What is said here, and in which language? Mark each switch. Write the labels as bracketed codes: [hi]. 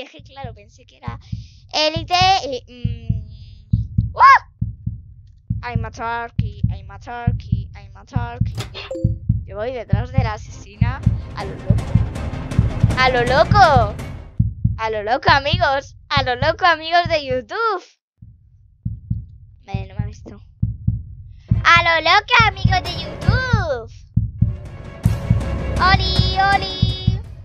[es] Es que claro, pensé que era Elite y. ¡Wow! [en] I'm a turkey, I'm a turkey, I'm a turkey. [es] Yo voy detrás de la asesina a lo loco. ¡A lo loco! ¡A lo loco, amigos! ¡A lo loco, amigos de YouTube! Vale, no me ha visto. ¡A lo loco, amigos de YouTube! ¡Oli, oli!